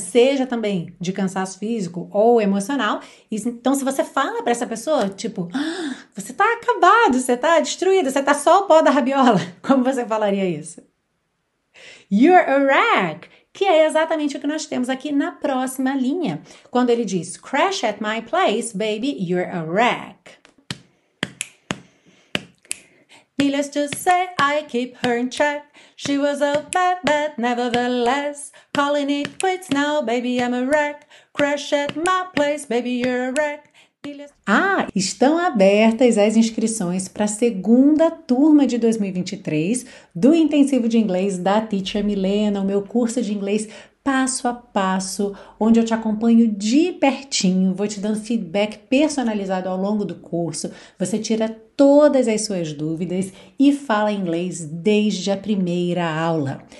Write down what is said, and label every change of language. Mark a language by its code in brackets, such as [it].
[pt] Seja também de cansaço físico ou emocional. Então, se você fala para essa pessoa, tipo, ah, você tá acabado, você tá destruído, você tá só o pó da rabiola, como você falaria isso? [en] You're a wreck! [pt] Que é exatamente o que nós temos aqui na próxima linha. Quando ele diz, [en] crash at my place, baby, you're a wreck. Needless to say, I keep her in check. She was a bad, bad, nevertheless. Calling it quits now, baby, I'm a wreck. Crash at my place, baby, you're a wreck. [pt] Ah, estão abertas as inscrições para a segunda turma de 2023 do Intensivo de Inglês da Teacher Milena, o meu curso de inglês passo a passo, onde eu te acompanho de pertinho, vou te dando feedback personalizado ao longo do curso, você tira todas as suas dúvidas e fala inglês desde a primeira aula.